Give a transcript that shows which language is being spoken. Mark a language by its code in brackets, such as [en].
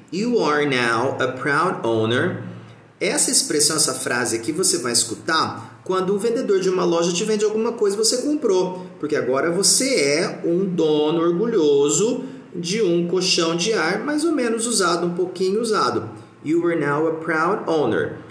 [en] You are now a proud owner. [pt] Essa expressão, essa frase aqui, você vai escutar quando um vendedor de uma loja te vende alguma coisa que você comprou. Porque agora você é um dono orgulhoso de um colchão de ar mais ou menos usado, um pouquinho usado. [en] You are now a proud owner.